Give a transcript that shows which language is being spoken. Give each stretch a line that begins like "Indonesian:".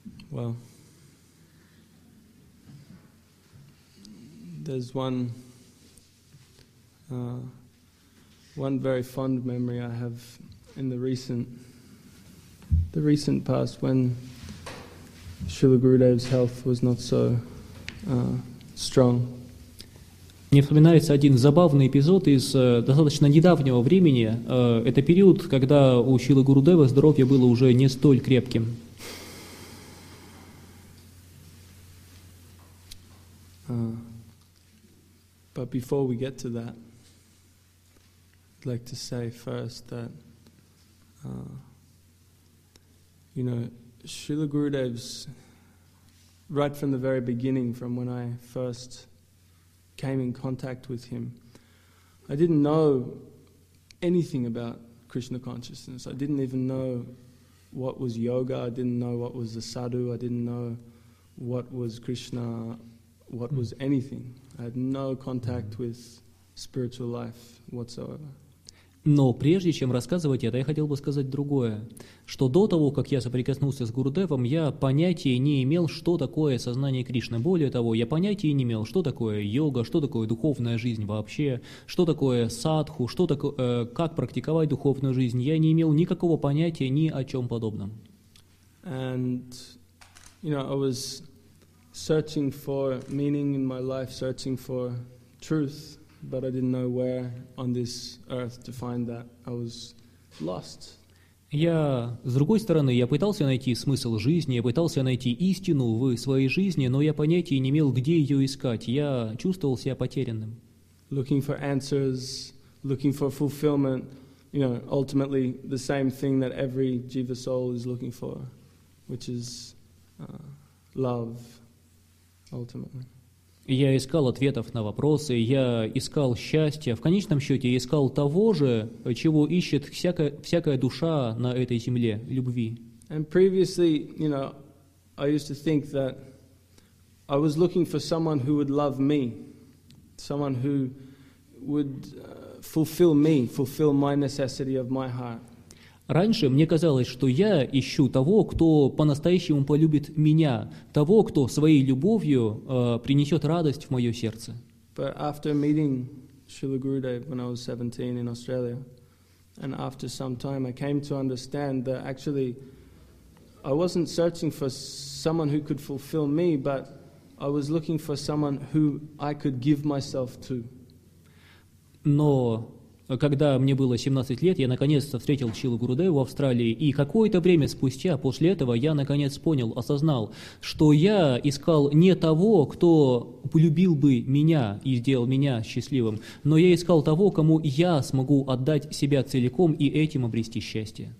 English: Well, there's one very fond memory I have in the recent past when Srila Gurudev's health was not so strong.
Russian: Мне вспоминается один забавный эпизод из достаточно недавнего времени. Это период, когда у Шрилы Гурудева здоровье было уже не столь крепким.
English: But before we get to that, I'd like to say first that, you know, Srila Gurudev's, right from the very beginning, from when I first came in contact with him. I didn't know anything about Krishna consciousness. I didn't even know what was yoga. I didn't know what was the sadhu. I didn't know what was Krishna, what was anything. I had no contact with spiritual life whatsoever.
Russian: Но прежде чем рассказывать это, я хотел бы сказать другое, что до того, как я соприкоснулся с Гурудевом, я понятия не имел, что такое сознание Кришны. Более того, я понятия не имел, что такое йога, что такое духовная жизнь вообще, что такое садху, что такое, как практиковать духовную жизнь. Я не имел никакого понятия ни о чем подобном.
English: And, you know, I was searching for meaning in my life, searching for truth. But I didn't know where on this earth to find that. I was lost.
Russian: Я с другой стороны, я пытался найти смысл жизни, я пытался найти истину в своей жизни, но я понятия не имел, где ее искать. Я чувствовал себя потерянным.
English: Looking for answers, looking for fulfillment, you know, ultimately the same thing that every jiva soul is looking for, which is love, ultimately.
Russian: Я искал ответов на вопросы, я искал счастья. В конечном счете, я искал того же, чего ищет всякая душа на этой земле — любви.
English: And previously, you know, I used to think that I was looking for someone who would love me, someone who would fulfill me, fulfill my necessity of my heart.
Russian: Раньше мне казалось, что я ищу того, кто по-настоящему полюбит меня, того, кто своей любовью принесет радость в мое сердце.
English: But after meeting Srila Gurudev when I was 17 in Australia, and after some time I came to understand that actually I wasn't searching for someone who could fulfill me, but I was looking for someone who I could give myself to.
Russian: Но когда мне было 17 лет, я наконец-то встретил Чилу Гурудеву в Австралии, и какое-то время спустя после этого я наконец понял, осознал, что я искал не того, кто полюбил бы меня и сделал меня счастливым, но я искал того, кому я смогу отдать себя целиком и этим обрести счастье.